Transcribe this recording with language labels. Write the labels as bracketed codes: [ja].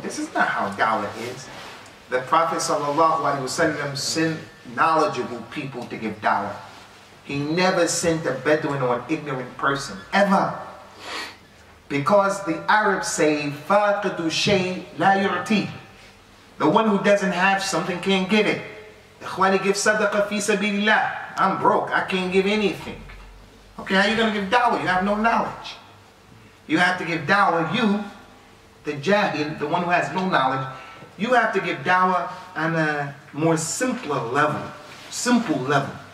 [en] This is not how da'wah is. The Prophet sallallahu alaihi wasallam sent knowledgeable people to give da'wah. He never sent a Bedouin or an ignorant person, ever. Because the Arabs say, [ar] فَاقِدُ شَيْءٍ لَا يُعْتِي. [en] The one who doesn't have something can't give it. [ar] إِخْوَانِ [en] give [ar] صَدَقَ فِي سَبِيلِ اللَّهِ. [en] I'm broke, I can't give anything. Okay, how are you going to give da'wah? You have no knowledge. You have to give da'wah, you, the jahil, the one who has no knowledge, you have to give da'wah on a more simpler level, simple level.